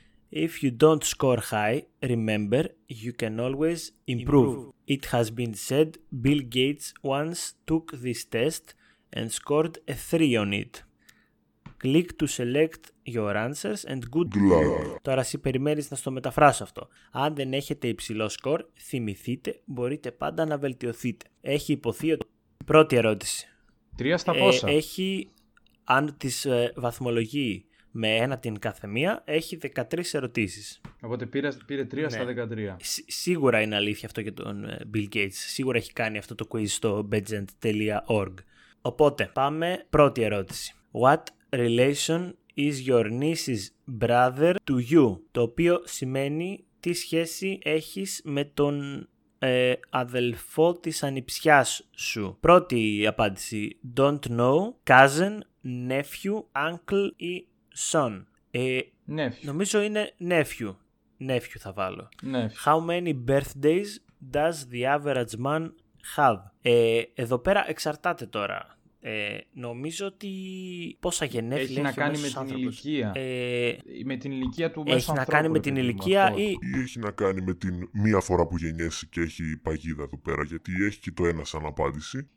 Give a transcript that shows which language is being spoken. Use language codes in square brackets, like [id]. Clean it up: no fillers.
[en] If you don't score high, remember you can always improve. It has been said Bill Gates once took this test and scored a 3 on it. Click to select your answers and good luck. [el] Τώρα εσύ περιμένεις να στο μεταφράσω αυτό. Αν δεν έχετε υψηλό σκορ, θυμηθείτε, μπορείτε πάντα να βελτιωθείτε. Έχει υποθεί ότι. Πρώτη ερώτηση. Τρία στα πόσα. Έχει, αν τις βαθμολογεί με ένα την κάθε μία, έχει 13 ερωτήσεις. Οπότε πήρε 3 ναι. στα 13. Σίγουρα είναι αλήθεια αυτό για τον Bill Gates. Σίγουρα έχει κάνει αυτό το quiz στο badgent.org. Οπότε πάμε πρώτη ερώτηση. [en] What relation is your niece's brother to you? [el] Το οποίο σημαίνει τι σχέση έχεις με τον αδελφό της ανιψιάς σου. Πρώτη απάντηση. [en] Don't know. Cousin, nephew, uncle ή son. Nephew. [el] Νομίζω είναι nephew. Nephew θα βάλω. [en] Nephew. How many birthdays does the average man have? [el] Εδώ πέρα εξαρτάται τώρα. Νομίζω ότι πόσα γενέθλια έχει να κάνει με την άνθρωπος. Ηλικία. Με την ηλικία του μέσα. Έχει να κάνει με την ηλικία ή έχει να κάνει με την μία φορά που γεννιέσαι και έχει παγίδα εδώ πέρα, γιατί έχει και το ένα σαν απάντηση.